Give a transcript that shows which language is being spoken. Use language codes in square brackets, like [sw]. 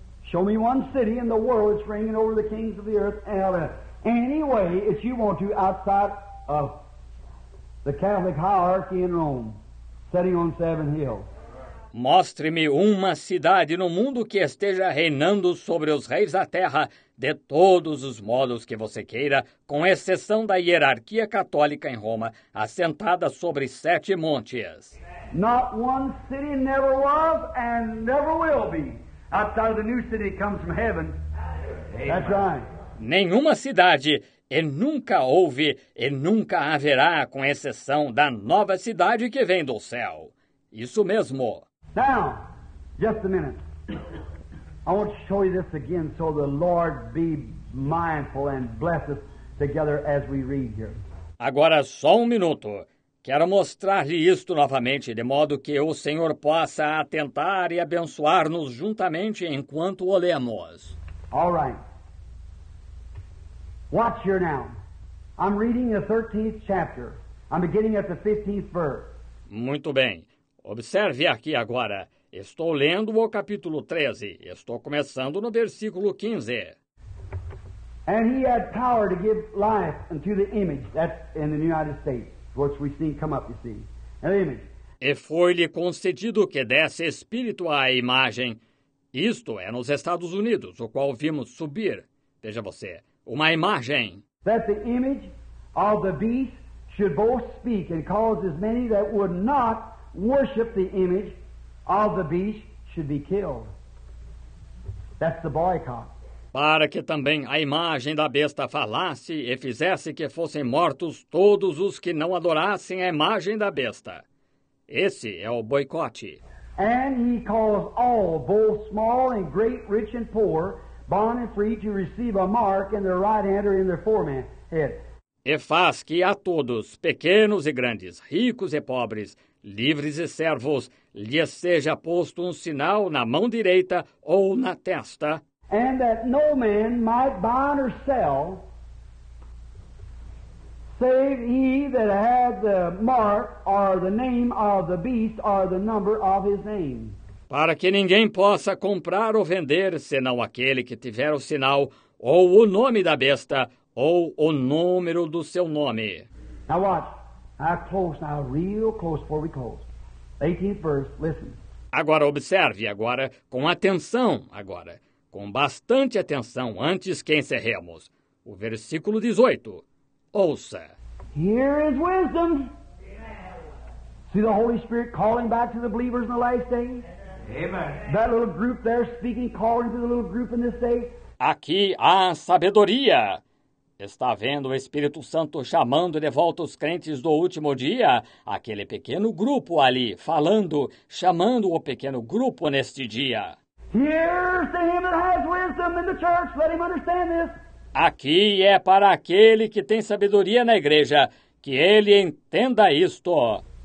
[en] Show me one city in the world that's reigning over the kings of the earth and any way if you want to outside of the Catholic hierarchy in Rome, sitting on seven hills. [pt] Mostre-me uma cidade no mundo que esteja reinando sobre os reis da terra, de todos os modos que você queira, com exceção da hierarquia católica em Roma, assentada sobre sete montes. [en] Not one city never was and never will be. Outside of the new city comes from heaven. That's right. [pt] Nenhuma cidade, e nunca houve, e nunca haverá, com exceção da nova cidade que vem do céu. Isso mesmo. [en] Now, just a minute. I want to show you this again so the Lord be mindful and bless us together as we read here. [pt] Agora, só um minuto. Quero mostrar-lhe isto novamente, de modo que o Senhor possa atentar e abençoar-nos juntamente enquanto o lemos. [en] All right. Watch here now. I'm reading the 13th chapter. I'm beginning at the 15th verse. [pt] Muito bem. Observe aqui agora. Estou lendo o capítulo 13. Estou começando no versículo 15. [en] And he had power to give life unto the image. That's in the United States. What we see come up, you see. An image. [pt] E foi-lhe concedido que desse espírito à imagem. Isto é nos Estados Unidos, o qual vimos subir. Veja você. Uma imagem. [en] That the image of the beast should both speak and cause as many that would not worship the image of the beast should be killed. That's the boycott. [pt] Para que também a imagem da besta falasse e fizesse que fossem mortos todos os que não adorassem a imagem da besta. Esse é o boicote. [en] And he caused all, both small and great, rich and poor, bond and free, to receive a mark in their right hand or in their forehead. [pt] E faz que a todos, pequenos e grandes, ricos e pobres, livres e servos, lhe seja posto um sinal na mão direita ou na testa. [en] And that no man might buy or sell, save he that had the mark or the name of the beast or the number of his name. [pt] Para que ninguém possa comprar ou vender, senão aquele que tiver o sinal, ou o nome da besta, ou o número do seu nome. [en] Now watch. Now close, now real close before we close. 18th verse, listen. [pt] Agora observe, agora, com atenção, agora. Com bastante atenção antes que encerremos. O versículo 18. Ouça. [en] Here is wisdom. See the Holy Spirit calling back to the believers in the last day? Amen. That little group there speaking, calling to the little group in this day? [pt] Aqui há sabedoria. Está vendo o Espírito Santo chamando de volta os crentes do último dia? Aquele pequeno grupo ali, falando, chamando o pequeno grupo neste dia. [en] Here's to him that has wisdom in the church. Let him understand this. [pt] Aqui é para aquele que tem sabedoria na igreja, que ele entenda isto.